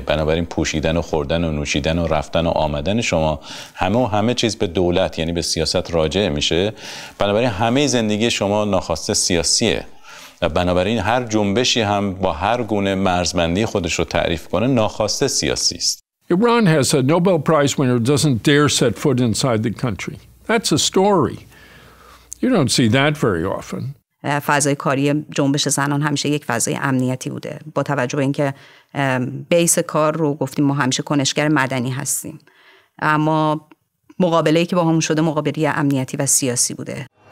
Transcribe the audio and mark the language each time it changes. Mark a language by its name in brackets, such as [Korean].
[Persian] بنابراین پوشیدن و خوردن و نوشیدن و رفتن و آمدن شما همه و همه چیز به دولت یعنی به سیاست راجع میشه، بنابراین همه زندگی شما ناخواسته سیاسیه و بنابراین هر جنبشی هم با هر گونه مرزبندی خودش رو تعریف کنه ناخواسته سیاسی است. [English] Iran has a Nobel Prize winner doesn't dare set foot inside the country. That's a story. You don't see that very often. [Persian] فضای کاری جنبش زنان همیشه یک فضای امنیتی بوده، با توجه به اینکه بیس کار رو گفتیم ما همیشه کنشگر مدنی هستیم، اما مقابله‌ای که با همون شده مقابله امنیتی و سیاسی بوده.